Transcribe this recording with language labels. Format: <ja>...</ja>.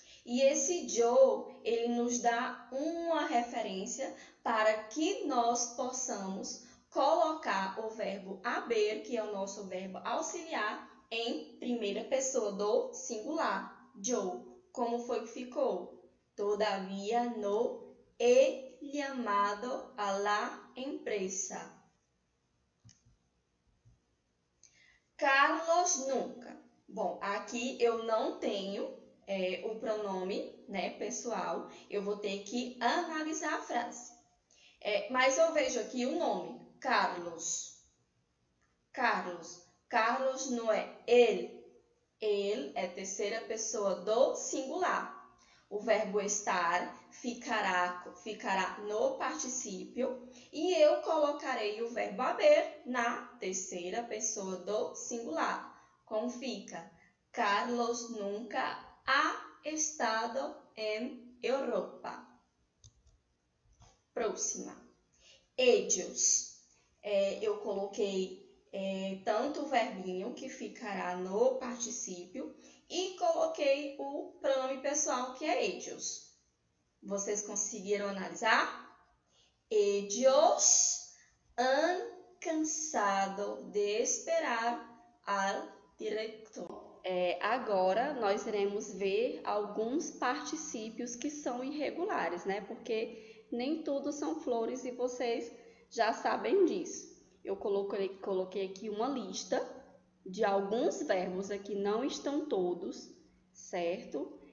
<pt>E esse yo, ele nos dá uma referência para que nós possamos colocar o verbo haber, que é o nosso verbo auxiliar, em primeira pessoa do singular. Yo, como foi que ficou?</pt> <es>Todavía no he llamado a la empresa. Carlos nunca.</es> <pt>Bom, aqui eu não tenho o pronome, né, pessoal. Eu vou ter que analisar a frase. Mas eu vejo aqui o nome, Carlos. Carlos. Carlos não é ele. Ele é terceira pessoa do singular. O verbo estar ficará no particípio e eu colocarei o verbo haver na terceira pessoa do singular. Como fica?</pt> <es>Carlos nunca ha estado em Europa.</es> <pt>Próxima. Ellos. Eu coloquei tanto o verbinho que ficará no particípio. E coloquei o pronome pessoal que é ellos. Vocês conseguiram analisar?</pt> <es>Ellos han cansado de esperar al director.</es> <pt>Agora nós iremos ver alguns particípios que são irregulares, né? Porque nem tudo são flores e vocês já sabem disso. Eu coloquei aqui uma lista de alguns verbos aqui, não estão todos, certo?</pt>